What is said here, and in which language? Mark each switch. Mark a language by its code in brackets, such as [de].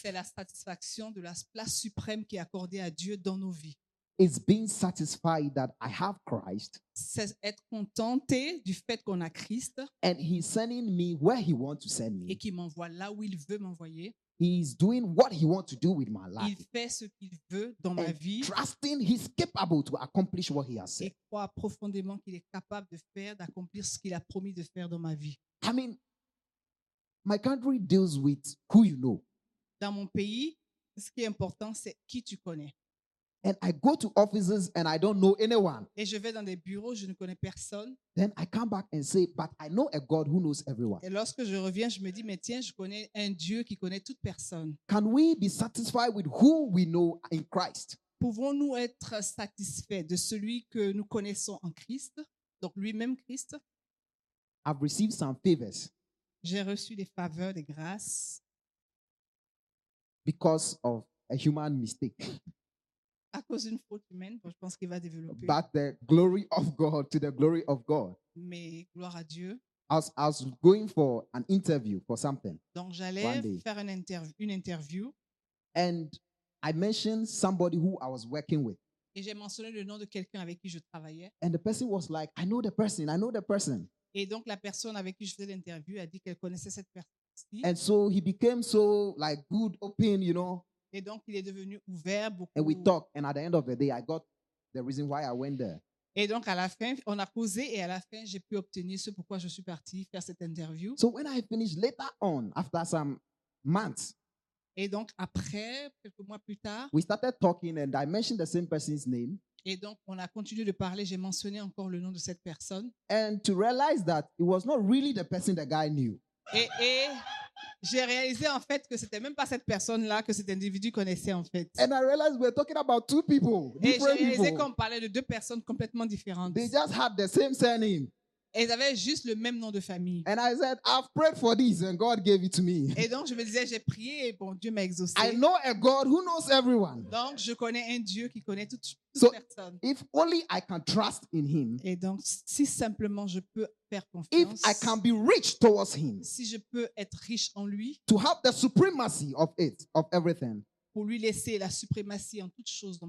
[fr] C'est la satisfaction de la place suprême qui est accordée à Dieu dans nos vies. [en] It's being satisfied that I have Christ. [fr] C'est être contenté du fait qu'on a Christ. [en] And he's sending me where he wants to send me. [fr] Et qu'il m'envoie là où il veut m'envoyer. [en] He is doing what he wants to do with my life. [fr] Il fait ce qu'il veut dans ma vie. [en] Trusting he's capable to accomplish what he has said. [fr] Et crois profondément qu'il est capable de faire, d'accomplir ce qu'il a promis de faire dans ma vie. [en] I mean, my country deals with who you know. [fr] Dans mon pays, ce qui est important, c'est qui tu connais. [en] And I go to offices and I don't know anyone. [fr] Et je vais dans des bureaux, je ne connais personne. [en] Then I come back and say, but I know a God who knows everyone. [fr] Et lorsque je reviens, je me dis, mais tiens, je connais un Dieu qui connaît toute personne. [en] Can we be satisfied with who we know in Christ? [fr] Pouvons-nous être satisfaits de celui que nous connaissons en Christ, donc lui-même Christ? [en] I've received some favors. [fr] J'ai reçu des faveurs, des grâces. [en] Because of a human mistake. [fr] À cause d'une faute humaine, je pense qu'il va développer. [en] But the glory of God to the glory of God. [fr] Mais gloire à Dieu. [en] I was going for an interview for something. [fr] Donc j'allais faire une interview. [en] And I mentioned somebody who I was working with. [fr] Et j'ai mentionné le nom de quelqu'un avec qui je travaillais. [en] And the person was like, I know the person. [fr] Et donc la personne avec qui je faisais l'interview a dit qu'elle connaissait cette personne. [en] And so he became so like good, open, you know. [fr] Et donc il est devenu ouvert beaucoup. [en] And we talked, and at the end of the day, I got the reason why I went there. [fr] Et donc à la fin, on a causé, et à la fin, j'ai pu obtenir ce pourquoi je suis parti faire cette interview. [en] So when I finished later on, after some months. [fr] Et donc après, quelques mois plus tard. [en] We started talking, and I mentioned the same person's name. [fr] Et donc on a continué de parler. J'ai mentionné encore le nom de cette personne. [en] And to realize that it was not really the person the guy knew. [fr] Et j'ai réalisé en fait que c'était même pas cette personne-là que cet individu connaissait en fait. [en] And I realized we're talking about two people. [fr] Et j'ai réalisé [en] people. [fr] Qu'on parlait de deux personnes complètement différentes. [en] They just had the same surname. [fr] Et ils avaient juste le même nom de famille. [en] And I said, I've prayed for this and God gave it to me. [fr] Et donc je me disais, j'ai prié et bon, Dieu m'a exaucé. [en] I know a God who knows everyone. [fr] Donc je connais un Dieu qui connaît toutes [en] so [fr] personnes. [en] If only I can trust in him. [fr] Et donc si simplement je peux faire confiance. [en] If I can be rich towards him. [fr] Si je peux être riche en lui. [en] To have the supremacy of it, of everything. [fr] Pour lui laisser la suprématie en toutes choses dans